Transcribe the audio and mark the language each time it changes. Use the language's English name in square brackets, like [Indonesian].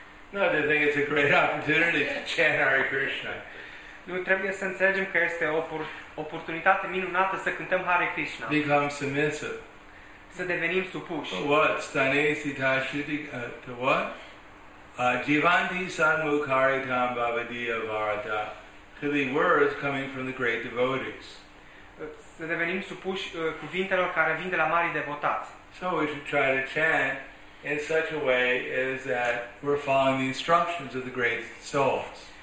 [English] No, they think it's a great opportunity to chant Hare Krishna. [Romanian] Nu, trebuie să înțelegem că este o oportunitate minunată să cântăm Hare Krishna. [English] Become submissive. [Romanian] Să devenim supuși. [English] What? [Sanskrit] Stanesi tashiti [English] to what? [Sanskrit] Jivanti sanmukhari tam bhavadiya varata. [English] To the words coming from the great devotees. [Romanian] Să devenim supuși cuvintelor care vin de la mari devotați. [English] So we should try to chant in such a way as that we're following the instructions of the great souls.